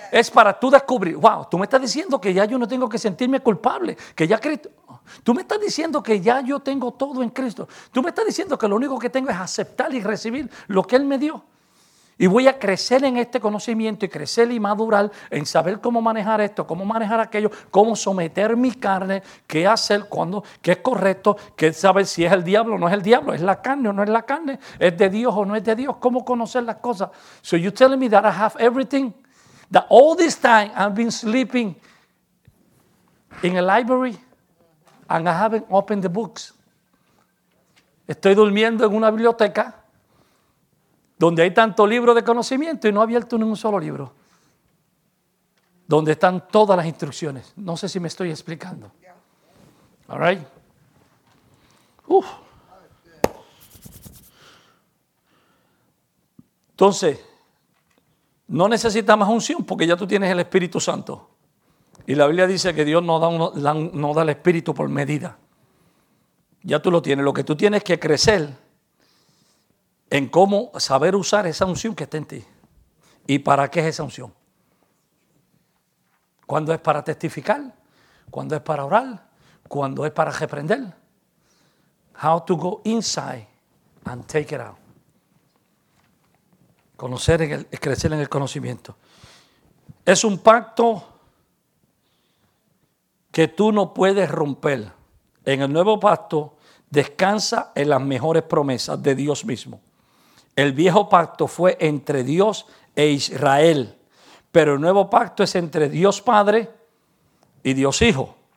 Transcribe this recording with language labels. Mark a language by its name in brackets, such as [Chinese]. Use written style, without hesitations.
[Spanish] Es para tú descubrir, wow, tú me estás diciendo que ya yo no tengo que sentirme culpable, que ya Cristo, tú me estás diciendo que ya yo tengo todo en Cristo, tú me estás diciendo que lo único que tengo es aceptar y recibir lo que Él me dio y voy a crecer en este conocimiento y crecer y madurar en saber cómo manejar esto, cómo manejar aquello, cómo someter mi carne, qué hacer, cuándo, qué es correcto, qué saber si es el diablo o no es el diablo, es la carne o no es la carne, es de Dios o no es de Dios, cómo conocer las cosas. [English] So you're telling me that I have everything, that all this time I've been sleeping in a library and I haven't opened the books. [Spanish] Estoy durmiendo en una biblioteca donde hay tanto libro de conocimiento y no ha abierto ni un solo libro. Donde están todas las instrucciones. No sé si me estoy explicando. [English] All right. [Spanish] Entonces, no necesitas más unción porque ya tú tienes el Espíritu Santo. Y la Biblia dice que Dios no da el Espíritu por medida. Ya tú lo tienes. Lo que tú tienes es que crecer en cómo saber usar esa unción que está en ti. ¿Y para qué es esa unción? ¿Cuándo es para testificar? ¿Cuándo es para orar? ¿Cuándo es para reprender? [English] How to go inside and take it out. [Spanish] Conocer, crecer en el conocimiento. Es un pacto que tú no puedes romper. En el nuevo pacto descansa en las mejores promesas de Dios mismo. El viejo pacto fue entre Dios e Israel, pero el nuevo pacto es entre Dios Padre y Dios Hijo.